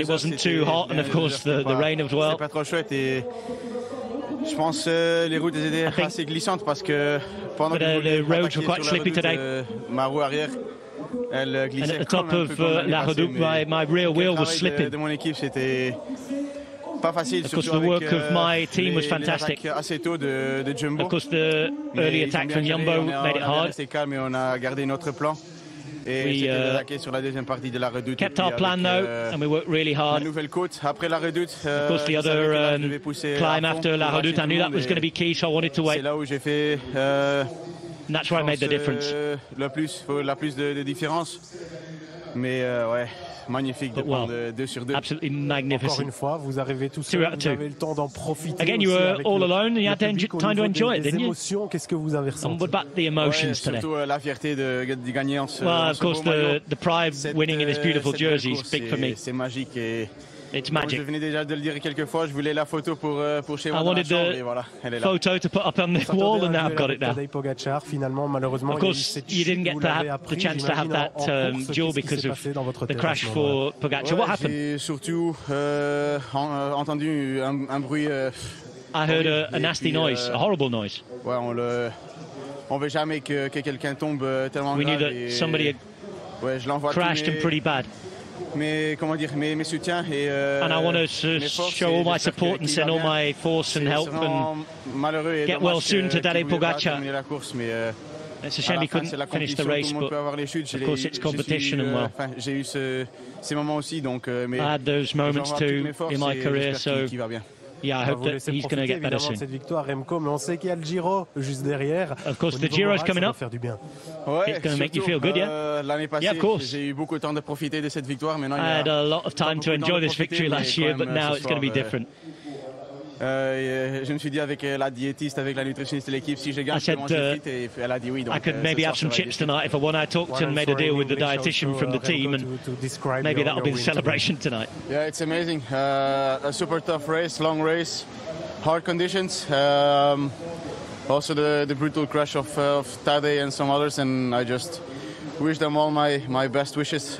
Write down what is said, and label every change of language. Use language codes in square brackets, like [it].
[en] It wasn't too hot, and of course the rain as well. [fr] C'était pas trop chouette et je pense les routes étaient assez glissantes parce que pendant que [en] the roads were quite slippy today. [fr] Ma roue arrière. [en] And at the top of La Redoute, my rear wheel was slipping. [fr] De mon équipe, c'était pas facile, [en] of course, the work of my team was fantastic. [fr] Assez tôt de Jumbo. [en] Of course, the early attack from Jumbo made it hard. [fr] Calme, on a gardé notre plan. [en] We kept our plan though, and we worked really hard. [fr] Après la Redoute, [en] of course, the other climb after La Redoute, I knew that was going to be key, so I wanted to wait. [fr] C'est là où j'ai fait, [en] and that's where I made the difference. [fr] La plus de différence. Mais ouais, magnifique de prendre 2 sur 2. [en] Absolutely magnificent. [fr] Encore une fois, vous arrivez tous seul, vous avez le temps d'en profiter. [en] Again, you were all alone, you had time to enjoy it, didn't you? [fr] Les émotions, qu'est-ce que vous avez ressenti? [en] What about the emotions today? [fr] Surtout la fierté de gagner en ce beau maillot. [en] Well, of course, the pride winning in this beautiful jersey is big for me. [fr] C'est magique et... [en] It's magic. [fr] Je venais déjà de le dire quelques fois, je voulais la photo pour chez moi. [en] I wanted the photo to put up on the wall and now I've got it now. [fr] Tadej Pogacar, finalement, malheureusement, [en] of course, you didn't get the chance to have that duel because of the crash for Pogacar. [fr] Ouais, [en] what happened? [fr] J'ai surtout entendu un bruit. [en] I heard a nasty noise, a horrible noise. [fr] Ouais, on veut jamais que quelqu'un tombe tellement grave. [en] We knew that somebody crashed and pretty bad. [fr] Mais comment dire, mes soutiens et [en] and I want to show all my support and send all my force and help and [fr] malheureux [en] get well soon to Tadej Pogacar. [fr] La course, mais [en] it's a shame he couldn't finish the race, but of course it's competition and well. [fr] J'ai eu ces moments aussi, donc [en] I had those moments too in my career, so yeah, I hope that he's going to get better soon. [fr] Cette victoire, Remco, mais on sait qu'il y a le Giro juste derrière. [en] Of course, the Giro is coming up. [fr] Faire du bien. Ouais, [en] it's going to make you feel good, yeah. [fr] L'année passée, [en] yeah, of course. [fr] J'ai eu beaucoup de temps de profiter de cette victoire. [en] I had a lot of time to enjoy this victory last year, but now it's going to be different. [fr] Je me suis dit avec la diétiste, avec la nutritionniste de l'équipe, si je gagne, je mange vite. Et elle a dit oui. Donc, [en] I could maybe have some chips tonight if I won. I talked and made a deal with the dietitian from the team, and maybe that'll be the celebration tonight. Yeah, it's amazing. A super tough race, long race, hard conditions. Also the brutal crash of Tadej and some others, and I just wish them all my best wishes.